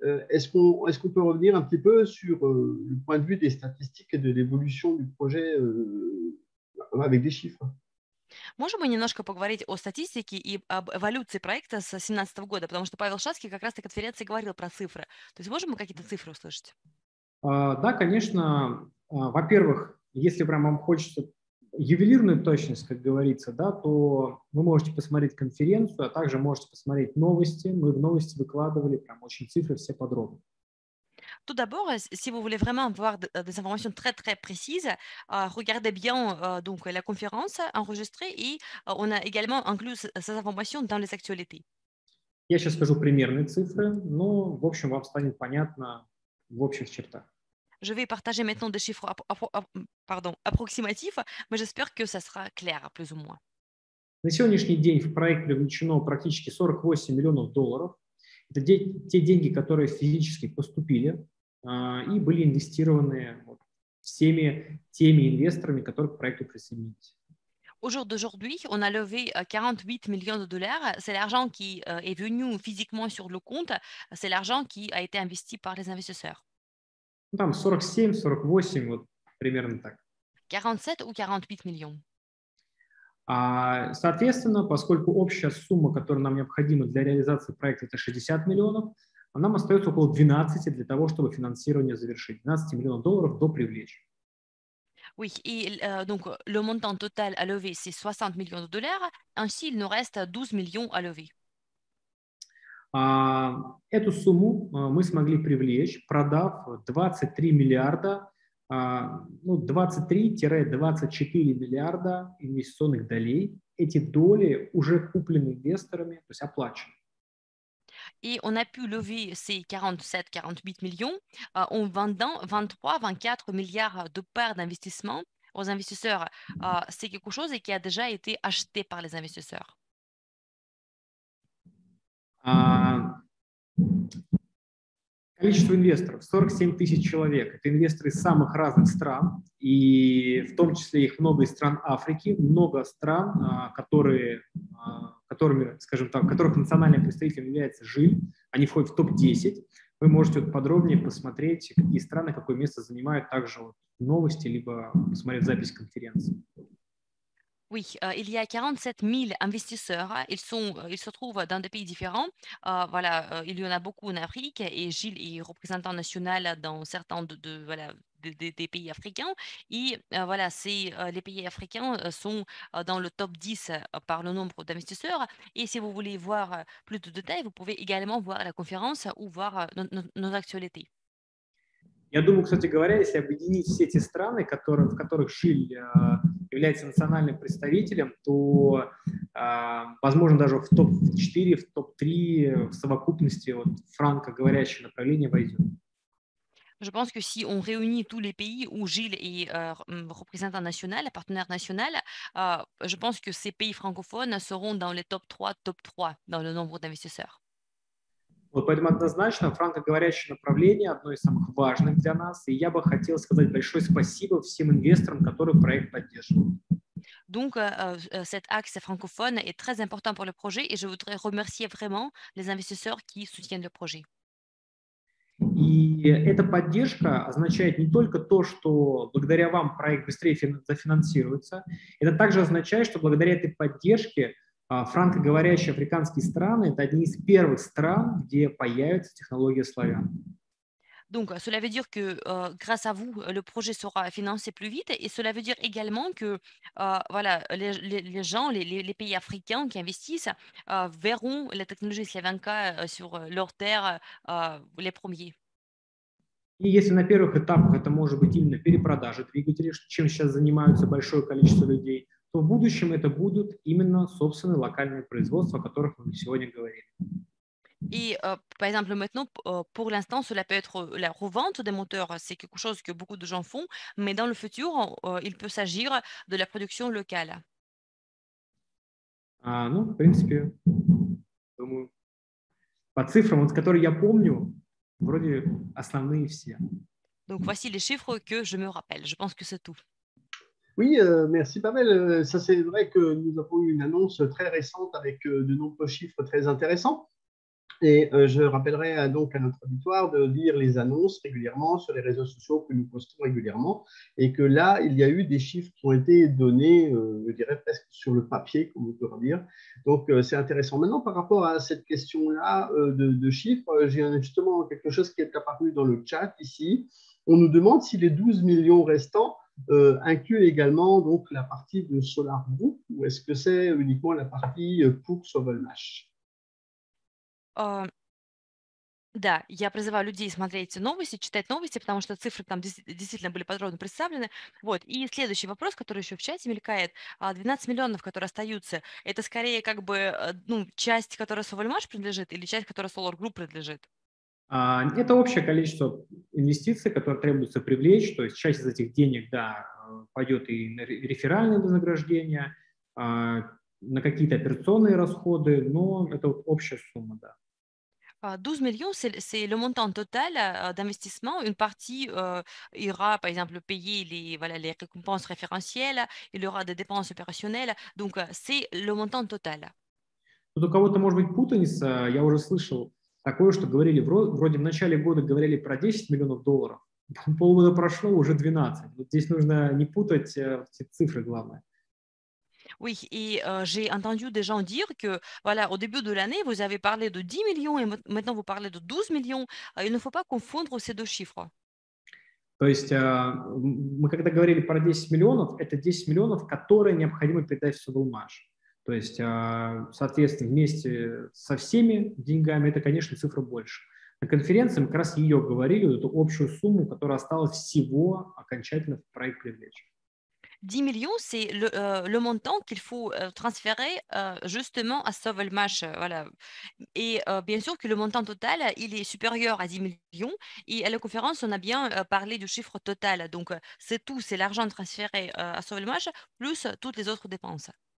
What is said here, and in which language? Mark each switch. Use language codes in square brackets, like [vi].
[fr] Est-ce qu'on peut revenir un petit peu sur le point de vue des statistiques et de l'évolution du projet avec des chiffres? [ru] Можем мы немножко поговорить о статистике и об эволюции проекта с 2017 года, потому что Павел Шацкий как раз на конференции говорил про цифры. То есть можем мы какие-то цифры услышать? Да, конечно. Во-первых, если прям вам хочется ювелирную точность, как говорится, да, то вы можете посмотреть конференцию, а также можете посмотреть новости. Мы в новости выкладывали прям очень цифры все подробно. [fr] Tout d'abord, si vous voulez vraiment avoir des informations très très précises, regardez bien donc la conférence enregistrée et on a également inclus ces informations dans les actualités. [ru] Я сейчас скажу примерные цифры, но, в общем, вам станет понятно в общих чертах. [fr] Je vais partager maintenant des chiffres pardon, approximatifs, mais j'espère que ça sera clair, plus ou moins. [ru] На сегодняшний день в проект привлечено практически 48 миллионов долларов. Это те деньги, которые физически поступили и были инвестированы всеми теми инвесторами, которые к проекту присоединились. [fr] Au jour d'aujourd'hui, on a levé 48 millions de dollars. C'est l'argent qui est venu physiquement sur le compte. C'est l'argent qui a été investi par les investisseurs. [ru] Там 47, 48, вот примерно так. [fr] 47 ou 48 millions? [ru] А, соответственно, поскольку общая сумма, которая нам необходима для реализации проекта, это 60 миллионов, а нам остается около 12 для того, чтобы финансирование завершить. 12 миллионов долларов до привлечь. [fr] Oui, et donc le montant total à lever, c'est 60 millions de dollars. Ainsi, il nous reste 12 millions à lever. [ru] Эту сумму мы смогли привлечь, продав 23 миллиарда, ну, 23-24 миллиарда инвестиционных долей. Эти доли уже куплены инвесторами, то есть оплачены. [fr] Et on a pu lever ces 47-48 millions en vendant 23-24 milliards de parts d'investissement aux investisseurs. C'est quelque chose qui a déjà été acheté par les investisseurs. [ru] Количество инвесторов 47 тысяч человек. Это инвесторы из самых разных стран, и в том числе их много из стран Африки, много стран, которыми, скажем так, которых национальным представителем является Жиль. Они входят в топ-10. Вы можете вот подробнее посмотреть, какие страны, какое место занимают, также вот новости, либо посмотреть запись конференции. [fr] Oui, il y a 47 000 investisseurs. Ils se trouvent dans des pays différents. Voilà, il y en a beaucoup en Afrique et Gilles est représentant national dans certains voilà, des pays africains. Et voilà, les pays africains sont dans le top 10 par le nombre d'investisseurs. Et si vous voulez voir plus de détails, vous pouvez également voir la conférence ou voir nos actualités. [ru] Я думаю, кстати говоря, если объединить все эти страны, в которых Жиль является национальным представителем, то, возможно, даже в топ-4, в топ-3 в совокупности вот, франко-говорящее направление войдет. [fr] Je pense que si on réunit tous les pays où Gilles est représentant national, partenaire national, je pense que ces pays francophones seront dans les top 3 dans le nombre d'investisseurs. [ru] Вот поэтому однозначно франкоговорящее направление одно из самых важных для нас. И я бы хотел сказать большое спасибо всем инвесторам, которые проект поддерживают. [fr] Donc, cet axe francophone est très important pour le projet et je voudrais remercier vraiment les investisseurs qui soutiennent le projet. [ru] И эта поддержка означает не только то, что благодаря вам проект быстрее зафинансируется, это также означает, что благодаря этой поддержке франкоговорящие африканские страны – это одни из первых стран, где появится технология Славян. [fr] Donc, cela veut dire que grâce à vous, le projet sera financé plus vite et cela veut dire également que voilà, les gens, les pays africains qui investissent verront la technologie Slavenka sur leur terre les premiers. [ru] И если на первых этапах это может быть именно перепродажа двигателей, чем сейчас занимаются большое количество людей, то в будущем это будут именно собственные локальные производства, о которых мы сегодня говорили. [fr] Et par exemple, maintenant, pour l'instant, cela peut être la revente des moteurs. C'est quelque chose que beaucoup de gens font, mais dans le futur, il peut s'agir de la production locale. [ru] А, ну, в принципе, думаю, по цифрам, вот, которые я помню, вроде основные все. [fr] Donc voici les chiffres que je me rappelle. Je pense que c'est tout. Oui, merci Pavel. Ça, c'est vrai que nous avons eu une annonce très récente avec de nombreux chiffres très intéressants. Et je rappellerai donc à notre auditoire de lire les annonces régulièrement sur les réseaux sociaux que nous postons régulièrement. Et que là, il y a eu des chiffres qui ont été donnés, je dirais presque sur le papier, comme on peut dire. Donc, c'est intéressant. Maintenant, par rapport à cette question-là de chiffres, j'ai justement quelque chose qui est apparu dans le chat ici. On nous demande si les 12 millions restants incluent également donc, la partie de Solar Group ou est-ce que c'est uniquement la partie pour Sauvelmash? [ru] Да, я призываю людей смотреть новости, читать новости, потому что цифры там действительно были подробно представлены. Вот. И следующий вопрос, который еще в чате мелькает. 12 миллионов, которые остаются, это скорее как бы ну, часть, которой Совальмаш принадлежит, или часть, которой Solar Group принадлежит? Это общее количество инвестиций, которые требуется привлечь. То есть часть из этих денег, да, пойдет и на реферальные вознаграждения, на какие-то операционные расходы, но это вот общая сумма, да. [fr] 12 millions, c'est le montant total d'investissement. Une partie ira, par exemple, payer les, voilà, les récompenses référentielles, il y aura des dépenses opérationnelles. Donc, c'est le montant total. [ru] Тут у кого-то может быть путаница, я уже слышал такое, что говорили, вроде в начале года говорили про 10 миллионов долларов, полгода прошло, уже 12. Вот здесь нужно не путать эти цифры, главное. [fr] Oui, et j'ai entendu des gens dire que, voilà, au début de l'année, vous avez parlé de 10 millions et maintenant vous parlez de 12 millions. Il ne faut pas confondre ces deux chiffres. [ru] То есть мы когда говорили про 10 миллионов, это 10 миллионов, которые необходимо передать в Совалмаш. То есть, соответственно, вместе со всеми деньгами это, конечно, цифра больше. На конференции мы как раз ее говорили, вот эту общую сумму, которая осталась всего окончательно в проект привлечь. [fr] 10 millions, c'est le montant qu'il faut transférer justement à Sauvelmash. Voilà. Et bien sûr que le montant total, il est supérieur à 10 millions. Et à la conférence, on a bien parlé du chiffre total. Donc, c'est tout, c'est l'argent transféré à Sauvelmash plus toutes les autres dépenses.